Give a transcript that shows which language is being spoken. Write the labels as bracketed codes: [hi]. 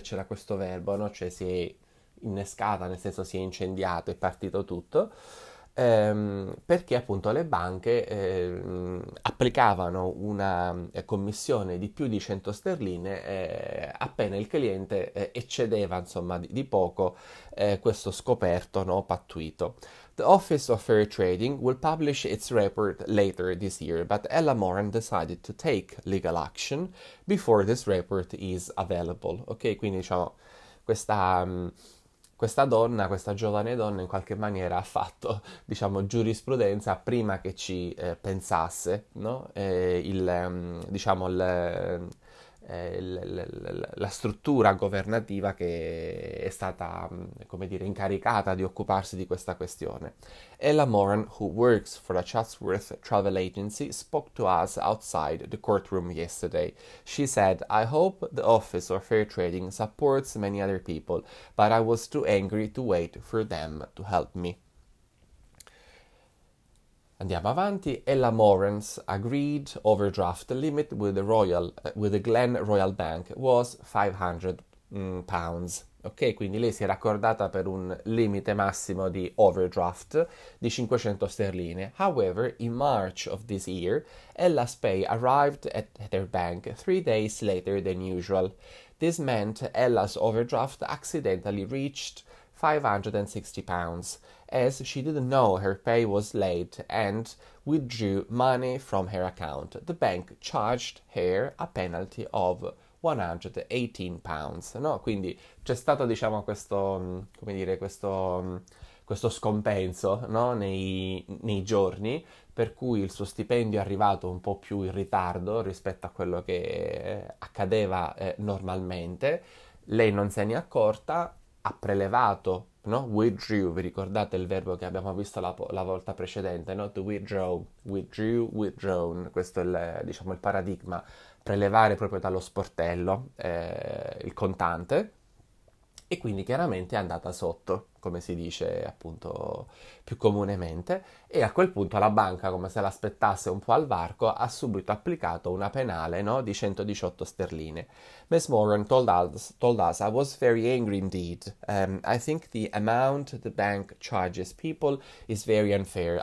[it] C'era questo verbo, no? Cioè si è innescata, nel senso si è incendiato, è partito tutto. Perché appunto le banche applicavano una commissione di più di 100 sterline appena il cliente eccedeva, insomma, di poco questo scoperto, no, pattuito. [en] The Office of Fair Trading will publish its report later this year, but Ella Moran decided to take legal action before this report is available. [it] Ok, quindi diciamo, questa giovane donna in qualche maniera ha fatto, diciamo, giurisprudenza prima che ci pensasse, no? Diciamo, la struttura governativa che è stata, come dire, incaricata di occuparsi di questa questione. [en] Ella Moran, who works for a Chatsworth travel agency, spoke to us outside the courtroom yesterday. She said, "I hope the Office of Fair Trading supports many other people, but I was too angry to wait for them to help me." [it] Andiamo avanti. [en] Ella Moran's agreed overdraft limit with the Glen Royal Bank was £500. [it] Ok, quindi lei si era accordata per un limite massimo di overdraft di 500 sterline. [en] However, in March of this year, Ella Spey arrived at her bank 3 days later than usual. This meant Ella's overdraft accidentally reached £560, as she didn't know her pay was late and withdrew money from her account. The bank charged her a penalty of £118. [it] No, quindi c'è stato, diciamo, questo, come dire, questo scompenso, no? Nei giorni, per cui il suo stipendio è arrivato un po' più in ritardo rispetto a quello che accadeva normalmente. Lei non se ne è accorta, ha prelevato. No? Withdrew, vi ricordate il verbo che abbiamo visto la volta precedente, no? To withdrew, withdrawn, questo è diciamo, il paradigma, prelevare proprio dallo sportello il contante, E quindi chiaramente è andata sotto, come si dice appunto più comunemente, e a quel punto la banca, come se l'aspettasse un po' al varco, ha subito applicato una penale, no, di 118 sterline. [en] Miss Moran told us, I was very angry indeed. I think the amount the bank charges people is very unfair.